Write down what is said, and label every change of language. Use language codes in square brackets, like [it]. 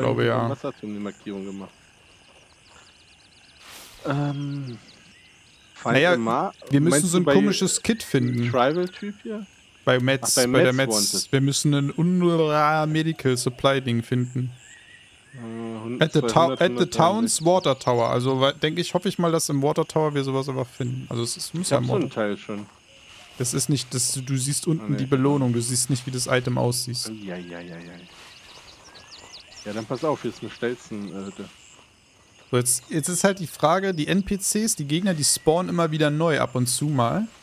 [de] irgendwie ja. Wasserturm die Markierung gemacht. Naja, wir müssen so ein komisches Kit finden. Tribal-Typ hier? Bei Metz, der Metz. Wir müssen ein UNRWA Medical Supply Ding finden. [en] At the Town's Water Tower. [de] Also denke ich, hoffe ich mal, dass im Water Tower wir sowas aber finden. Also es muss ja so ein Teil schon. Das ist nicht, das, du siehst unten die Belohnung, du siehst nicht, wie das Item aussieht. Ja, dann pass auf, hier ist eine Stelzenhütte. So, jetzt ist halt die Frage, die NPCs, die Gegner, die spawnen immer wieder neu ab und zu mal.